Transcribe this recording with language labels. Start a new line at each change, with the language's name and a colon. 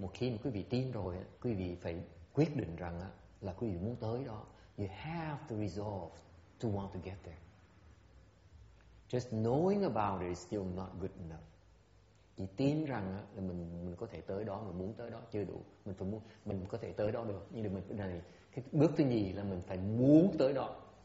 Vietnamese: Một khi quý vị tin rồi, quý vị phải quyết định rằng là quý vị muốn tới đó.
English: You have to resolve to want to get there. Just knowing about it is still not good enough.
Vietnamese: Chỉ tin rằng là mình có thể tới đó, mình muốn tới đó chưa đủ. Mình có thể tới đó được. Nhưng mà này, cái bước thứ nhì là mình phải muốn tới đó.